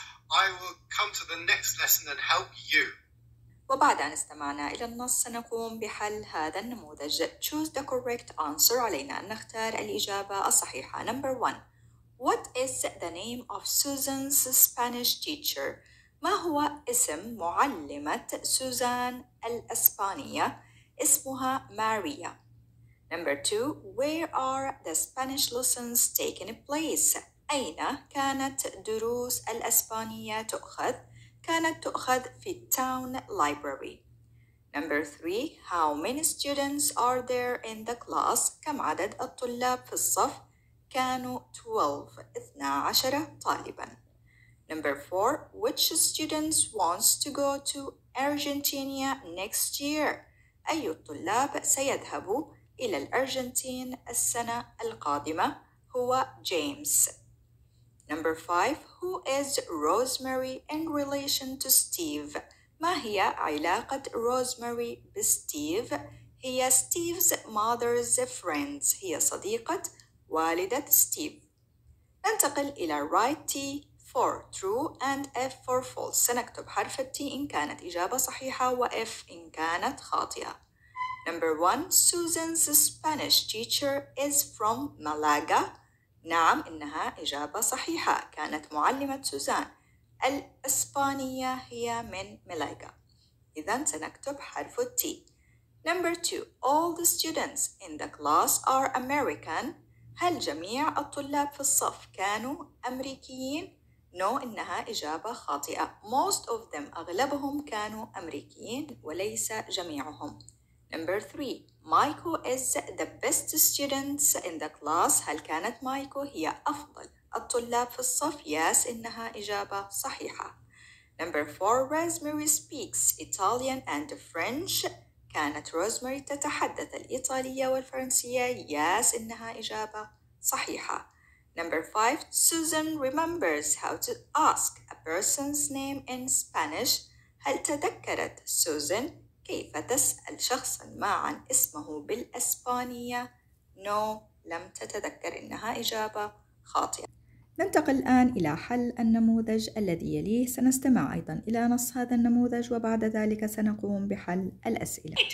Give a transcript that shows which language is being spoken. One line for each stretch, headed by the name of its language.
English: I will come to the next lesson and help you.
Arabic: وبعد أن استمعنا إلى النص سنقوم بحل هذا النموذج.
English: Choose the correct answer.
Arabic: علينا أن نختار الإجابة الصحيحة.
English: Number one. What is the name of Susan's Spanish teacher?
Arabic: ما هو اسم معلمة سوزان الإسبانية؟ اسمها ماريا.
English: Number two. Where are the Spanish lessons taking place?
Arabic: أين كانت دروس الإسبانية تؤخذ؟ كانت تؤخذ في Town Library.
English: Number three. How many students are there in the class?
Arabic: كم عدد الطلاب في الصف؟ كانوا 12. 12 طالبا.
English: Number four. Which students wants to go to Argentina next year?
Arabic: أي الطلاب سيذهب إلى الأرجنتين السنة القادمة؟ هو James.
English: Number five. Who is Rosemary in relation to Steve?
Arabic: ما هي علاقة Rosemary بستيف؟ هي
English: Steve's mother's friends.
Arabic: هي صديقة والدة Steve. ننتقل إلى
English: write T for true and F for false.
Arabic: سنكتب حرف T إن كانت إجابة صحيحة وF إن كانت خاطئة.
English: Number one. Susan's Spanish teacher is from Malaga.
Arabic: نعم إنها إجابة صحيحة. كانت معلمة سوزان الإسبانية هي من ملاقا. إذن سنكتب حرف T.
English: Number two. All the students in the class are American.
Arabic: هل جميع الطلاب في الصف كانوا أمريكيين؟
English: No,
Arabic: إنها إجابة خاطئة.
English: Most of them,
Arabic: أغلبهم كانوا أمريكيين وليس جميعهم.
English: Number three. Maiko is the best student in the class.
Arabic: هل كانت مايكو هي أفضل الطلاب في الصف؟
English: Yes,
Arabic: إنها إجابة صحيحة.
English: Number four. Rosemary speaks Italian and French.
Arabic: كانت روزماري تتحدث الإيطالية والفرنسية؟
English: Yes,
Arabic: إنها إجابة صحيحة.
English: Number five. Susan remembers how to ask a person's name in Spanish.
Arabic: هل تذكرت سوزان كيف تسأل شخصا ما عن اسمه بالإسبانية؟
English: No,
Arabic: لم تتذكر. إنها إجابة خاطئة. ننتقل الآن إلى حل النموذج الذي يليه. سنستمع أيضا إلى نص هذا النموذج وبعد ذلك سنقوم بحل الأسئلة.